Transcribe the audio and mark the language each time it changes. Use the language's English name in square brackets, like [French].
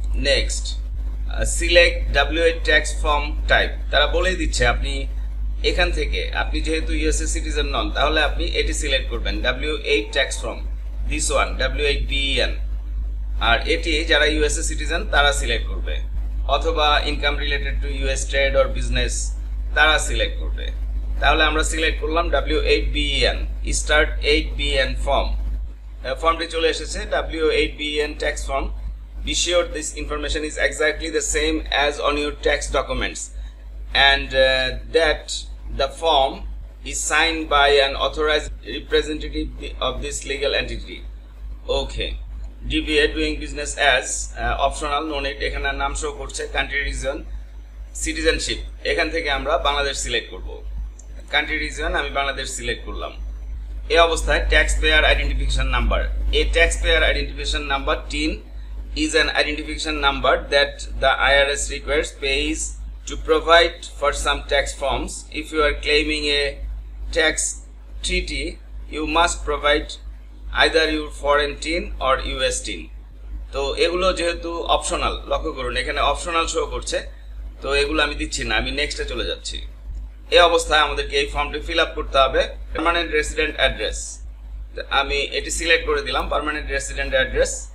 [Bangla] Next, select WH tax form type, তারা বলেই দিচ্ছে আপনি এখান থেকে, আপনি যেহেতু ইউএসএ সিটিজেন নন তাহলে আপনি এটি সিলেক্ট করবেন, WH tax form, this one, WHBEN, আর এটি যারা ইউএসএ সিটিজেন তারা সিলেক্ট করবে, অথবা income related to US trade or business তারা সিলেক্ট করবে। তাহলে আমরা সিলেক্ট করলাম WHBEN, স্টার্ট 8BEN ফর্ম, ফর্মটি চলে এসেছে WHBEN tax form. [English] Be sure this information is exactly the same as on your tax documents and that the form is signed by an authorized representative of this legal entity. Okay. DBA doing business as optional, no need. [Bangla] এখানে নাম show করছে, country region, citizenship. এখান থেকে আমরা Bangladesh select করব, country region আমি Bangladesh select করলাম। এই অবস্থায় [English] taxpayer identification number, এই taxpayer identification number TIN is an identification number that the IRS requires pays to provide for some tax forms. If you are claiming a tax treaty, you must provide either your foreign TIN or US TIN. [Bangla] তো এগুলো যেহেতু optional, লক্ষ্য করুন এখানে optional show করছে, তো এগুলো আমি দিচ্ছি না, আমি নেক্সটে চলে যাচ্ছি। এই অবস্থায় আমাদেরকে এই ফর্মটি ফিল আপ করতে হবে, পারমানেন্ট রেসিডেন্ট অ্যাড্রেস, আমি এটি সিলেক্ট করে দিলাম, পারমানেন্ট রেসিডেন্ট অ্যাড্রেস।